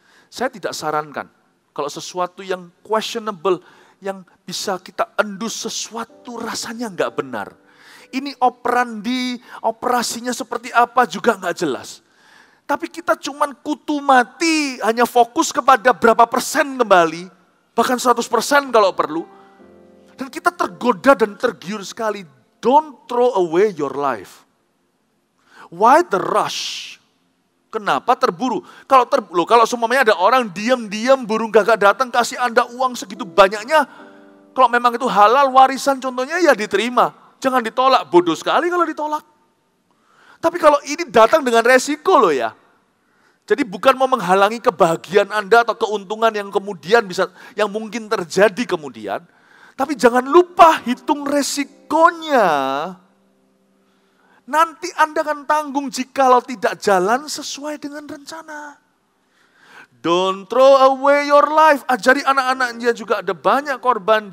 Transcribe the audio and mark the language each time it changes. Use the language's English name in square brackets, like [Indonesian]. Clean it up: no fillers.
[Indonesian] Saya tidak sarankan kalau sesuatu yang questionable, yang bisa kita endus sesuatu rasanya enggak benar. Ini operandi, operasinya seperti apa juga enggak jelas. Tapi kita cuman kutu mati hanya fokus kepada berapa persen kembali, bahkan 100% kalau perlu. Dan kita tergoda dan tergiur sekali. [English] Don't throw away your life. Why the rush? [Indonesian] Kenapa terburu? Kalau semuanya ada orang diam-diam burung gagak datang kasih Anda uang segitu banyaknya, kalau memang itu halal warisan contohnya ya diterima. Jangan ditolak, bodoh sekali kalau ditolak. Tapi kalau ini datang dengan resiko loh ya. Jadi bukan mau menghalangi kebahagiaan Anda atau keuntungan yang kemudian bisa, yang mungkin terjadi kemudian. Tapi jangan lupa hitung resikonya. Nanti Anda akan tanggung jika tidak jalan sesuai dengan rencana. [English] Don't throw away your life. [Indonesian] Ajari anak-anaknya juga ada banyak korban.